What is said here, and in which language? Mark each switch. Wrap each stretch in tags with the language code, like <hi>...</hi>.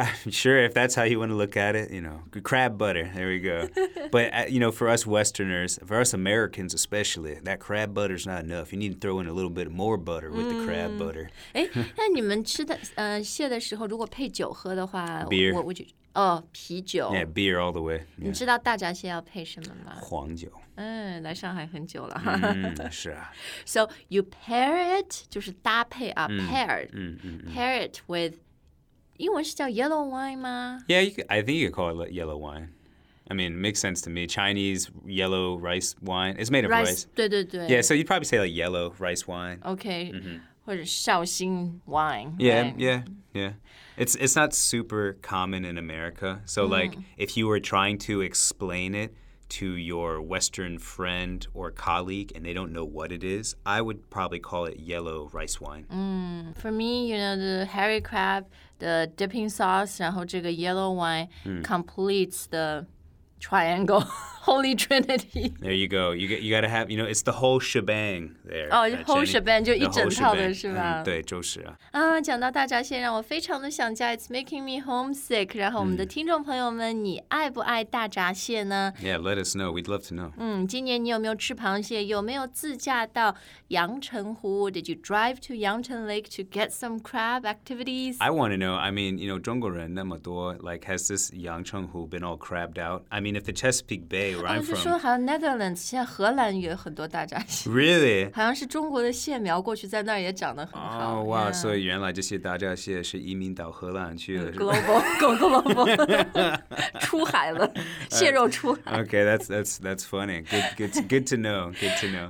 <en>Sure, if that's how you want to look at it, you know, crab butter, there we go. But, you know, for us Westerners, for us Americans especially, that crab butter's not enough. You need to throw in a little bit more butter with the crab butter.</en> <zh>哎，那你们吃的蟹的时候如果配酒喝的话</zh> <en>Beer. Beer. Yeah, beer all the way.</en> <zh>你知道大闸蟹要配什么吗？黄酒。来上海很久了。是啊。</zh> <en>So you pair it,</en> <zh>就是搭配啊</zh> <en>pair. Pair it with,</en> <zh>英文是叫 yellow wine 吗？</zh> <en>Yeah, I think you could call it yellow wine. I mean, it makes sense to me. Chinese yellow rice wine. It's made of rice.</en> <zh>对对对。</zh> <en>Yeah, so you'd probably say like yellow rice wine. Okay. Mm-hmm.</en> <zh>或者绍兴</zh> <en>wine. Yeah,、 right? yeah, yeah. It's not super common in America. So like, if you were trying to explain it to your Western friend or colleague and they don't know what it is, I would probably call it yellow rice wine. For me, you know, the hairy crab, the dipping sauce,</en> <zh>然后这个</zh> <en>yellow wine completes the... Triangle, Holy Trinity. There you go. You gotta have, you know, it's the whole shebang there. Oh, whole shebang,</en> <zh>就一整套的是吧？对，就是啊。啊，讲到大闸蟹，让我非常的想家。</zh> <en>It's making me homesick.</en> <zh>然后我们的听众朋友们，你爱不爱大闸蟹呢？</zh> <en>Yeah, let us know. We'd love to know.</en> <zh>今年你有没有吃螃蟹？有没有自驾到阳澄湖？</zh> <en>Did you drive to Yangcheng Lake to get some crab activities? I want to know. I mean, you know,</en> <zh>中国人那么多</zh> <en>，like has this 阳澄湖 been all crabbed out? I mean, if the Chesapeake Bay, where I'm from...</en> <zh>就说好像 Netherlands, 现在荷兰也有很多大闸蟹。</zh> <en>Really?</en> <zh>好像是中国的蟹苗过去在那儿也长得很好。</zh> <en>Oh, wow, yeah.</en> <zh>所以原来这些大闸蟹是移民到荷兰去了。 Global. 出海了,蟹肉出海。</zh> <en>Okay, that's funny. Good to know.</en>